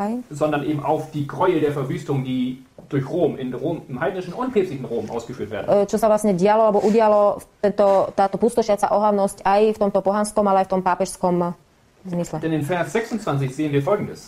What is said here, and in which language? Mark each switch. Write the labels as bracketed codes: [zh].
[de] Sondern eben auf die Gräuel der Verwüstung, die durch Rom in Rom im heidnischen und päpstlichen Rom ausgeführt werden. [sk] Čo sa vlastne dialo alebo udialo táto pustošiaca ohavnosť aj v tomto pohanskom, ale aj v tom pápežskom. [de] Denn in Vers 26 sehen wir folgendes.